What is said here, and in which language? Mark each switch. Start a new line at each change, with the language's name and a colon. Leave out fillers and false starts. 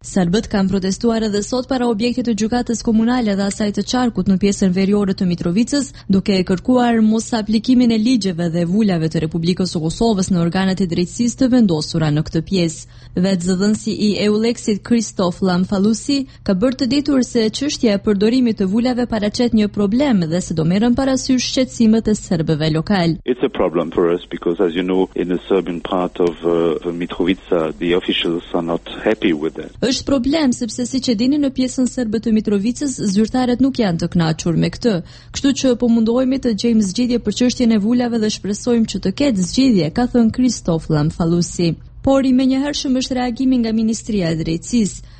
Albanian: Sërbët kanë protestuar edhe sot para objektit të gjykatës komunale dhe asaj të qarkut në pjesën veriore të Mitrovicës, duke e kërkuar mos aplikimin e ligjeve dhe vulave të Republikës së Kosovës në organet e drejtësisë të vendosura në këtë pjesë. Vetë zëdhënësi i EULEX-it Kristof Lamfalusi ka bërë të ditur se çështja e përdorimit të vulave paraqet një problem dhe se do merren parasysh shqetësimet e serbëve lokal.
English: It's a problem for us because as you know in the Serbian part of Mitrovica the officials not happy with that.
Albanian: Është problem sepse siç e dini në pjesën serbe të Mitrovicës zyrtarët nuk janë të kënaqur me këtë. Kështu që po mundohemi të gjejmë zgjidhje për çështjen e vulave dhe shpresojmë që të ketë zgjidhje, ka thënë Kristof Lamfalusi. Por i menjëhershëm është reagimi nga Ministria e Drejtësisë.